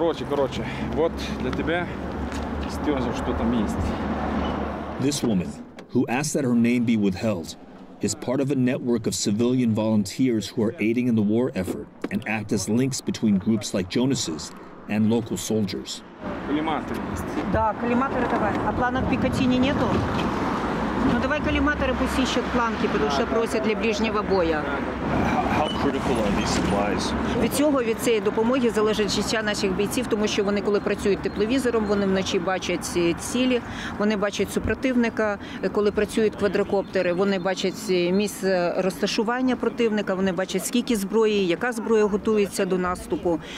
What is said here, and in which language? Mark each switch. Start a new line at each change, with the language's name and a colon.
Russian: Короче, вот для тебя стёжа, что там есть.
English: This woman, who asked that her name be withheld, is part of a network of civilian volunteers who are aiding in the war effort and act as links between groups like Jonas's and local soldiers.
Russian: Коллиматоры есть? Да, коллиматоры давай. А планок пикатинни нету? Ну давай коллиматоры пусть ищут планки, потому что просят для ближнего боя.
Ukrainian: Від цього, від цієї допомоги залежить життя наших бійців, тому що вони, коли працюють тепловізором, вони вночі бачать цілі, вони бачать супротивника, коли працюють квадрокоптери, вони бачать місце розташування противника, вони бачать, скільки зброї, яка зброя готується до наступу.